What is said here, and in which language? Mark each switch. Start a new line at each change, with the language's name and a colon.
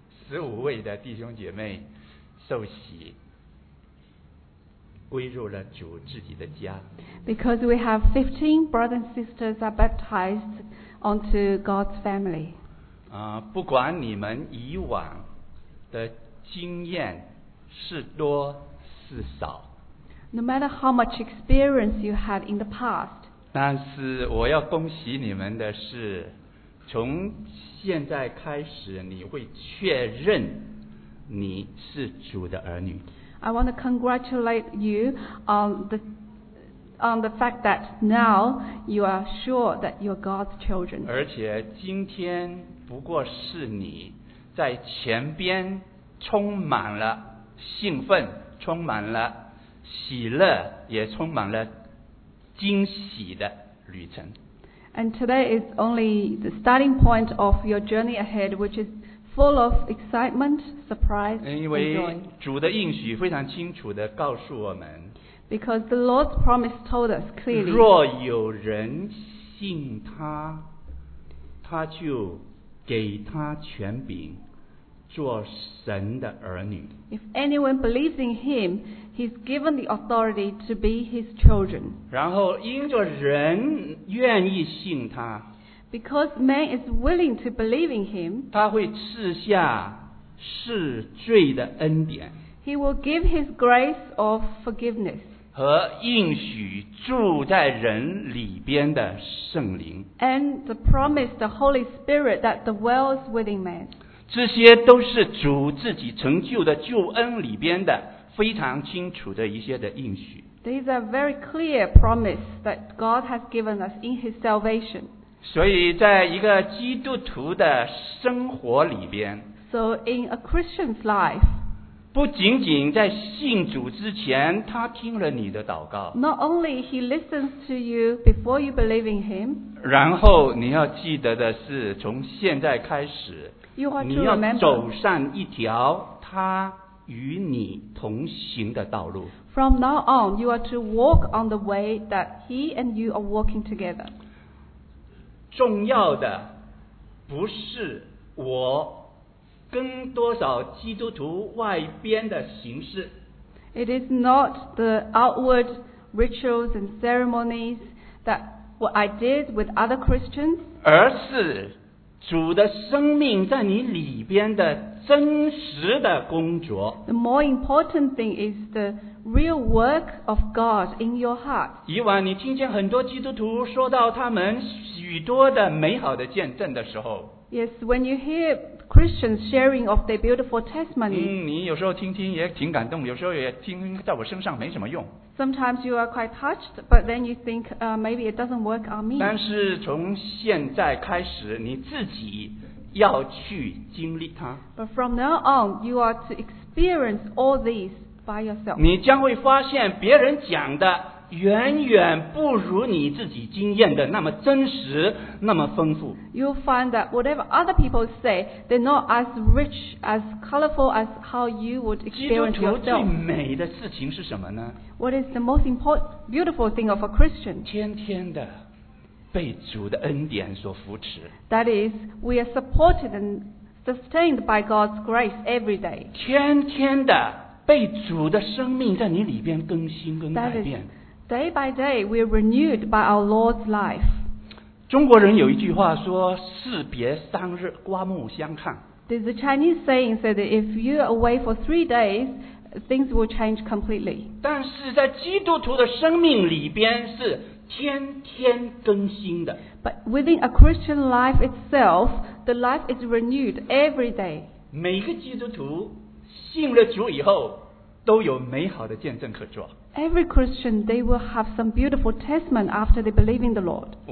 Chinese: 15位的弟兄姐妹受洗，归入了主自己的家。
English: Because we have 15 brothers and sisters are baptized onto God's family.
Chinese: 不管你们以往的经验是多是少，
English: No matter how much experience you had in the past，
Chinese: 但是我要恭喜你们的是，从现在开始你会确认你是主的儿女。
English: I want to congratulate you on the fact that now you are sure that you are God's children。
Chinese: 而且今天不过是你在前边充满了兴奋，充满了喜乐，也充满了惊喜的旅程。
English: And today is only the starting point of your journey ahead, which is full of excitement, surprise, and joy.
Chinese: 因为主的应许非常清楚地告诉我们。
English: Because the Lord's promise told us clearly.
Chinese: 若有人信他，他就给他权柄。做神的儿女。
English: If anyone believes in him, he's given the authority to be his children.
Chinese: 然后因着人愿意信他。
English: Because man is willing to believe in him,
Chinese: 他会赐下赦罪的恩典。
English: He will give his grace of forgiveness.
Chinese: 和应许住在人里边的圣灵。
English: And the promise, the Holy Spirit that dwells within man.
Chinese: 这些都是主自己成就的救恩里边的非常清楚的一些的应许。
English: These are very clear promise that God has given us in His salvation.
Chinese: 所以在一个基督徒的生活里边，
English: So in a Christian's life,
Chinese: 不仅仅在信主之前他听了你的祷告，
English: Not only He listens to you before you believe in Him,
Chinese: 然后你要记得的是从现在开始
English: You are to
Chinese: 你要走上一条他与你同行的道路。
English: From now on, you are to walk on the way that he and you are walking together.
Chinese: 重要的不是我跟多少基督徒外边的形式。
English: It is not the outward rituals and ceremonies that what I did with other Christians.
Chinese: 而是主的生命在你里边的真实的工作。
English: The more important thing is the real work of God in your heart.
Chinese: 以往你听见很多基督徒说到他们许多的美好的见证的时候。
English: Yes, when you hear Christians sharing of their beautiful testimony.
Chinese: 你有时候听听也挺感动，有时候也听在我身上没什么用。
English: Sometimes you are quite touched, but then you think, maybe it doesn't work on me.
Chinese: 但是从现在开始，你自己要去经历它。
English: But from now on, you are to experience all these by yourself.
Chinese: 你将会发现别人讲的远远不如你自己经验的那么真实，那么丰富。
English: You'll find that whatever other people say, they're not as rich, as colorful as how you would experience yourself.
Chinese: 基督徒最美的事情是什么呢？
English: What is the most important, beautiful thing of a Christian?
Chinese: 天天的被主的恩典所扶持。
English: That is, we are supported and sustained by God's grace every day.
Chinese: 天天的被主的生命在你里边更新跟改变。
English: Day by day, we are renewed by our Lord's life.
Chinese: 中国人有一句话说，士别三日，刮目相看。
English: There's a Chinese saying say that if you're away for 3 days, things will change completely.
Chinese: 但是在基督徒的生命里边是天天更新的。
English: But within a Christian life itself, the life is renewed every day.
Chinese: 每个基督徒信了主以后，都有美好的见证可做。
English: Every Christian, they will have some beautiful testament after they believe in the Lord.